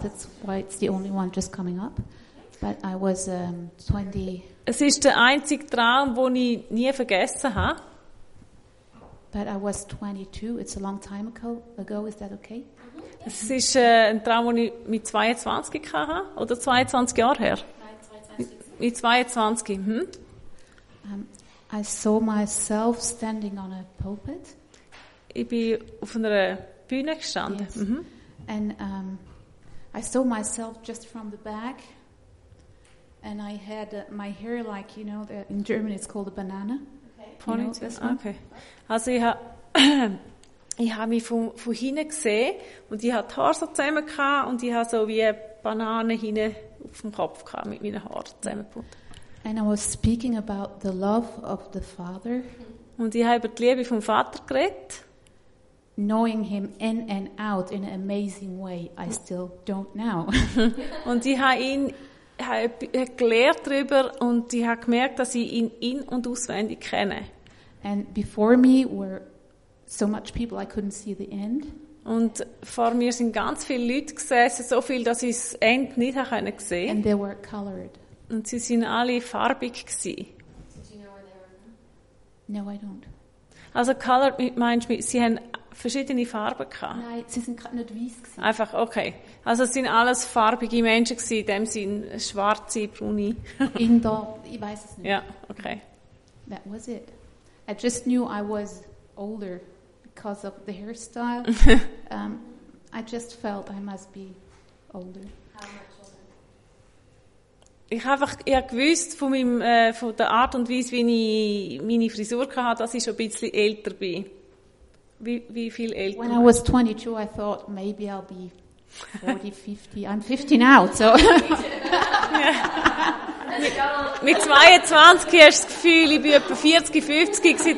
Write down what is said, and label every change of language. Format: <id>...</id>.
<en>That's why it's the only one just coming up. But I was 20.</en> <de>Es ist der einzige Traum, wo ich nie vergessen habe.</de> <en>But I was 22. It's a long time ago. Is that okay?</en> <de>Es ist ein Traum, wo ich mit 22 hatte. Oder 22 Jahre her? Nein, 22. Mit 22.</de> <en>I saw myself standing on a pulpit.</en> <de>Ich bin auf einer Bühne gestanden.</de> <en>Yes. Mm-hmm. And I saw myself just from the back. And I had my hair like, you know, in German it's called a banana. Okay.</en> <de>Also ich habe mich von hinten gesehen und ich hatte die Haare so zusammen gehabt und ich habe so wie eine Banane hinten auf dem Kopf gehabt mit meinen Haaren zusammengebunden.</de> <en>And I was speaking about the love of the Father.</en> <de>Und ich habe über die Liebe vom Vater geredet.</de> <en>Knowing him in and out in an amazing way, I still don't know.</en> <de>Und ich habe ihn gelehrt darüber und ich habe gemerkt, dass ich ihn in- und auswendig kenne.</de> <en>And before me were so much people, I couldn't see the end.</en> <de>Und vor mir sind ganz viele Leute gesessen, so viel, dass ich das Ende nicht habe können sehen.</de> <en>And they were colored.</en> <de>Und sie sind alle farbig gewesen.</de> <en>Did you know where they were? No, I don't.</en> <de>Also colored meinst du, sie haben verschiedene Farben gehabt? Nein, sie sind gerade nicht weiss gewesen. Einfach, okay. Also es sind alles farbige Menschen gewesen, in dem Sinn schwarze, braune. In da, ich weiß es nicht. Ja, okay.</de> <en>That was it. I just knew I was older because of the hairstyle. I just felt I must be older.</en> <de>Ich gewusst von der Art und Weise, wie ich meine Frisur hatte, dass ich schon ein bisschen älter bin. Wie viel älter?</de> <en>When I was 22, I thought maybe I'll be 40, 50. I'm 50 now, so.</en> <de>Mit 22 hast du das Gefühl, ich bin etwa 40, 50 gewesen.</de>